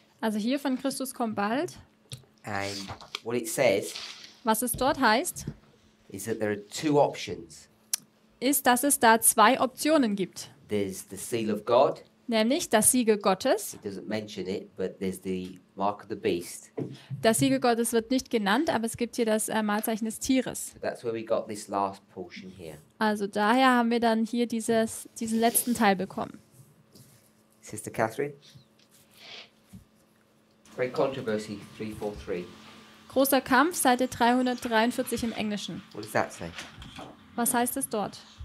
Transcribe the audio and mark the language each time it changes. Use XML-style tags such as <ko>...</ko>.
<de>Also hier von Christus kommt bald.</de> <en>And what it says,</en> <de>was es dort heißt,</de> <en>is that there are two options.</en> <de>Ist, dass es da zwei Optionen gibt.</de> <en>There's the seal of God.</en> <de>Nämlich das Siegel Gottes.</de> <en>It doesn't mention it, but there's the mark of the beast.</en> <de>Das Siegel Gottes wird nicht genannt, aber es gibt hier das Malzeichen des Tieres.</de> <en>So that's where we got this last portion here.</en> <de>Also daher haben wir dann hier diesen letzten Teil bekommen.</de> <en>Sister Catherine. Great Controversy 343.</en> <de>Großer Kampf, Seite 343 im Englischen.</de> <en>What does that say?</en> <de>Was heißt es dort?</de>